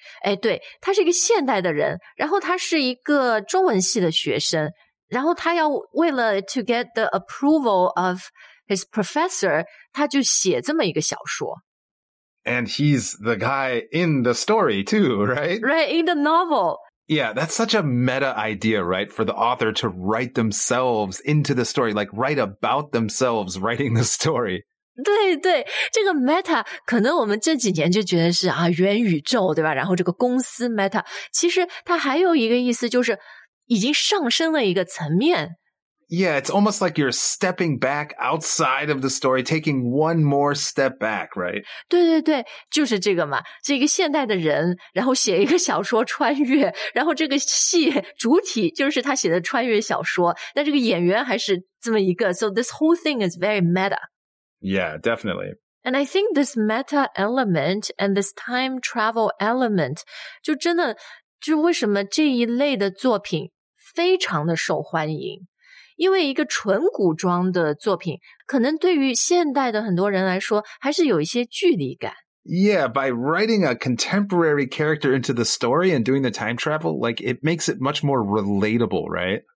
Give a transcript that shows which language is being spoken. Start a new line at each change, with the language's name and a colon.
Chinese: 哎，对，他是一个现代的人，然后他是一个中文系的学生，然后他要为了
English: to get the approval of his professor,
Chinese: 他就写这么一个小说。
English: And he's the guy in the story too, right? Right, in the novel. Yeah, that's such a meta idea, right? For the author to write themselves into the story, like write about themselves writing the story.
Chinese: 对对，这个 Meta 可能我们这几年就觉得是啊元宇宙对吧，然后这个公司 Meta 其实它还有一个意思，就是已经上升了一个层面。
English: Yeah, it's almost like you're stepping back outside of the story, taking one more step back, right?
Chinese: 对对对，就是这个嘛，这个现代的人然后写一个小说穿越，然后这个戏主体就是他写的穿越小说，但这个演员还是这么一个。
English: So this whole thing is very meta. Yeah, definitely. And I think this meta element and this time travel element,
Chinese: 就真的就为什么这一类的作品非常的受欢迎。因为一个纯古装的作品可能对于现代的很多人来说还是有一些距离感。
English: Yeah, by writing a contemporary character into the story and doing the time travel, like it makes it much more relatable, right?